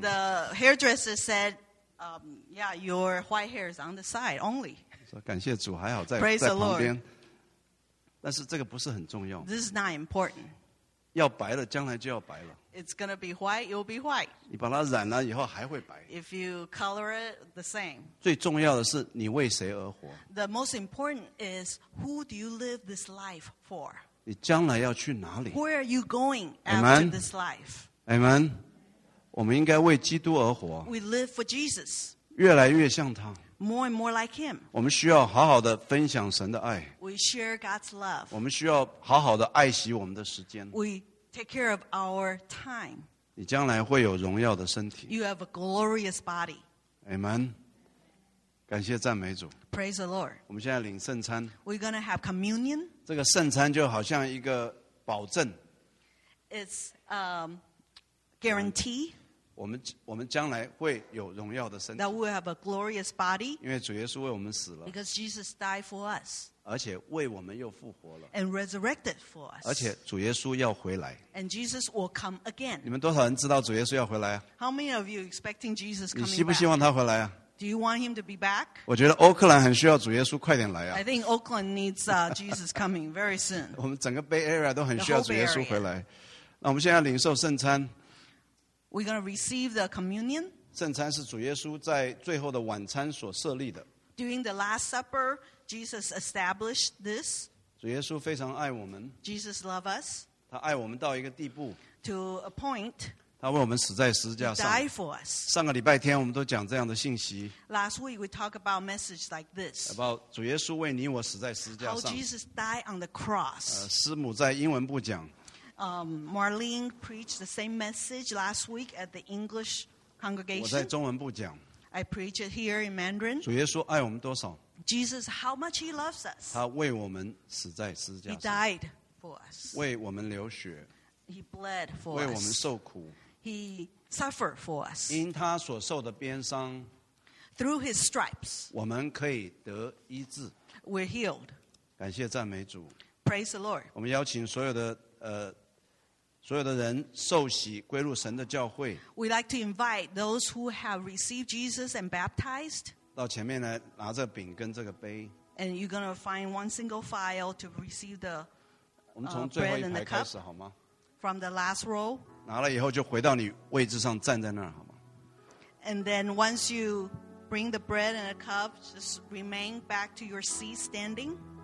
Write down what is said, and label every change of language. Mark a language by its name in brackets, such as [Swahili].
[English] The hairdresser said, yeah, your white hair is on the side only. [Chinese] 说感谢主, 还好在, [English] praise the Lord. [Chinese] 但是这个不是很重要, [English] this is not important. [Chinese] 要白了, [English] it's going to be white, it will be white. [Chinese] 你把它染了以后还会白, [English] if you color it the same. [Chinese] 最重要的是你为谁而活, [English] the most important is who do you live this life for? [Chinese] 你将来要去哪里? [English] Where are you going after Amen? This life? [Chinese] Amen. 我们应该为基督而活, [English] we live for Jesus. [Chinese] 越来越像他, [English] more and more like him. [Chinese] 我们需要好好的分享神的爱, [English] we share God's love. [Chinese] 我们需要好好的爱惜我们的时间, [English] we take care of our time. [Chinese] 你将来会有荣耀的身体, [English] you have a glorious body. [Chinese] Amen. 感谢赞美主, [English] praise the Lord. [Chinese] 我们现在领圣餐, [English] we're going to have communion. [Chinese] 这个圣餐就好像一个保证, [English] it's guarantee. [Chinese] 我们将来会有荣耀的身体, [English] that we have a glorious body. [Chinese] 因为主耶稣为我们死了, [English] because Jesus died for us. [Chinese] 而且为我们又复活了, [English] and resurrected for us. [Chinese] 而且主耶稣要回来, [English] and Jesus will come again. [Chinese] 你们多少人知道主耶稣要回来啊? [English] How many of you expecting Jesus coming back? [Chinese] 你希不希望他回来啊? [English] Do you want him to be back? [Chinese] 我觉得奥克兰很需要主耶稣快点来啊。 [English] I think Oakland needs Jesus coming very soon. [Chinese] 我们整个Bay Area都很需要主耶稣回来。那我们现在领受圣餐, [English] we're going to receive the communion. [Chinese] 圣餐是主耶稣在最后的晚餐所设立的。 [English] During the Last Supper, Jesus established this. [Chinese] 主耶稣非常爱我们。 [English] Jesus loves us. [Chinese] 他爱我们到一个地步。 [English] To a point. [Chinese] 他为我们死在十字架上。 [English] Die for us. [Chinese] 上个礼拜天我们都讲这样的信息。 [English] Last week we talked about a message like this. [Chinese] About 主耶稣为你我死在十字架上。 [English] How Jesus died on the cross. [Chinese] 师母在英文部讲。 [English] Marlene preached the same message last week at the English congregation. [Chinese] 我在中文部讲, [English] I preach it here in Mandarin. [Chinese] 主耶稣爱我们多少? [English] Jesus, how much he loves us. [Chinese] 他为我们死在十字架上, [English] he died for us. [Chinese] 为我们流血, [English] he bled for [Chinese] 为我们受苦, [English] us. He suffered for us. [Chinese] 因他所受的鞭伤, [English] through his stripes, [Chinese] 我们可以得医治, [English] we're healed. [Chinese] 感谢赞美主, [English] praise the Lord. [Chinese] 我们邀请所有的 所有的人受洗归入神的教会, [English] we'd like to invite those who have received Jesus and baptized, [Chinese] 到前面来拿着饼跟这个杯, [English] and you're going to find one single file to receive the [Chinese] 我们从最后一排开始, [English] bread and the cup, [Chinese] 好吗? [English] From the last row, [Chinese] 拿了以后就回到你位置上站在那儿, 好吗? [English] And then once you bring the bread and a cup, just remain back to your seat standing.